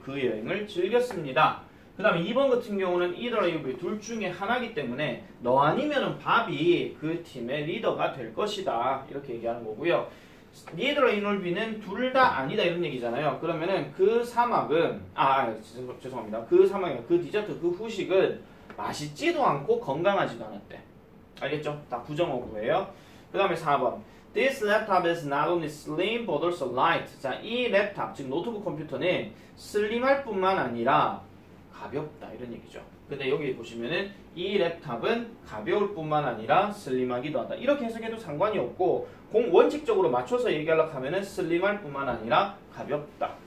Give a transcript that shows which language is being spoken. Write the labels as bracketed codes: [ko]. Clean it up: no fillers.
[ko] 그 여행을 즐겼습니다. 그 다음에 2번 같은 경우는 [en] either A or B [ko] 둘 중에 하나이기 때문에 너 아니면은 밥이 그 팀의 리더가 될 것이다. 이렇게 얘기하는 거고요. [en] Neither A nor B [ko] 는 둘다 아니다 이런 얘기잖아요. 그러면은 그 사막은 죄송합니다. 그 사막이요. 그 디저트, 그 후식은 맛있지도 않고 건강하지도 않았대. 알겠죠? 다 부정어구예요. 그 다음에 4번. [en] This laptop is not only slim but also light. [ko] 자, 이 랩탑, 즉 노트북 컴퓨터는 슬림할 뿐만 아니라 가볍다 이런 얘기죠. 근데 여기 보시면은 이 랩탑은 가벼울 뿐만 아니라 슬림하기도 하다. 이렇게 해석해도 상관이 없고 공 원칙적으로 맞춰서 얘기하려고 하면은 슬림할 뿐만 아니라 가볍다.